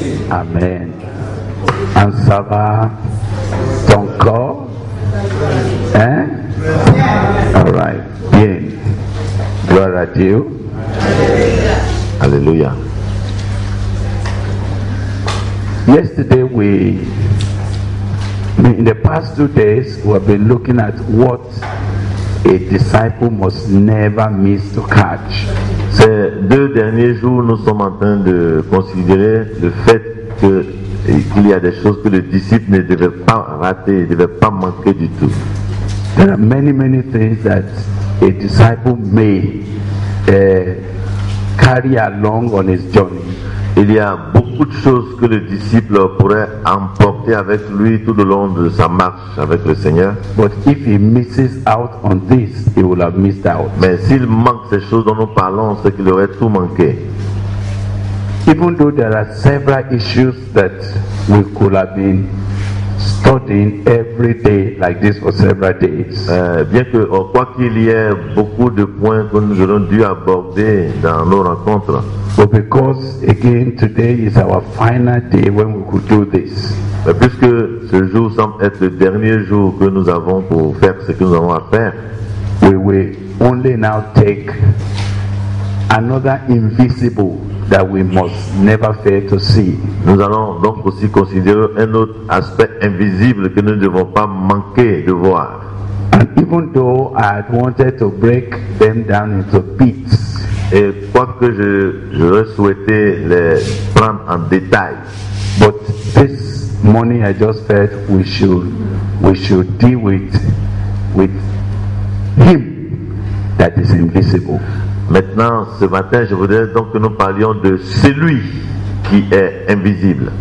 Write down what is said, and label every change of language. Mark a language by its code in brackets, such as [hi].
[fr] Amen. En ça va ton corps? Hein? [en] All right. [fr] Bien. Gloire à Dieu. Alléluia. [en] Yesterday in the past 2 days, we have been looking at what a disciple must never miss to catch. [fr] Ces deux derniers jours, nous sommes en train de considérer le fait qu'il y a des choses que le disciple ne devait pas rater, ne devait pas manquer du tout. [en] There are many, many things that a disciple may carry along on his journey. [fr] Il y a beaucoup de choses que le disciple pourrait emporter avec lui tout le long de sa marche avec le Seigneur. [en] But if he misses out on this, he will have missed out. [fr] Mais s'il manque ces choses dont nous parlons, c'est qu'il aurait tout manqué. [en] Even though there are several issues that we could have been studying every day like this for several days. [fr] Bien que, quoi qu'il y ait beaucoup de points que nous aurons dû aborder dans nos rencontres. [en] But because again today is our final day when we could do this. [fr] Mais puisque ce jour semble être le dernier jour que nous avons pour faire ce que nous avons à faire, [en] we will only now take another invisible that we must never fail to see. [fr] Nous allons donc aussi considérer un autre aspect invisible que nous ne devons pas manquer de voir. [en] And even though I had wanted to break them down into bits. [fr] Et quoique j'aurais souhaité les prendre en détail. [en] But this morning I just felt we should deal with him that is invisible. [fr] Maintenant, ce matin, je voudrais donc que nous parlions de celui qui est invisible.